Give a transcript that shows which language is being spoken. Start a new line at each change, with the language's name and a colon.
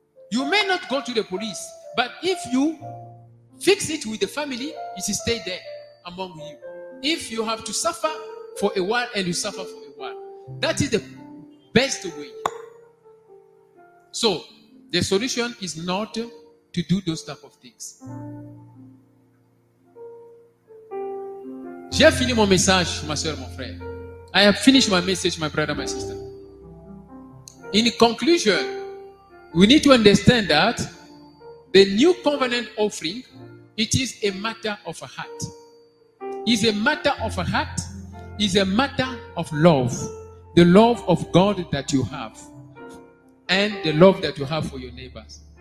English: You may not go to the police, but if you fix it with the family, it will stay there among you. If you have to suffer for a while and you suffer for a while, that is the best way. So, the solution is not to do those type of things.
French: J'ai fini mon message, ma soeur, mon frère.
English: I have finished my message, my brother, my sister. In conclusion, we need to understand that the new covenant offering, it is a matter of a heart. It's a matter of a heart. It's a matter of love. The love of God that you have. And the love that you have for your neighbors.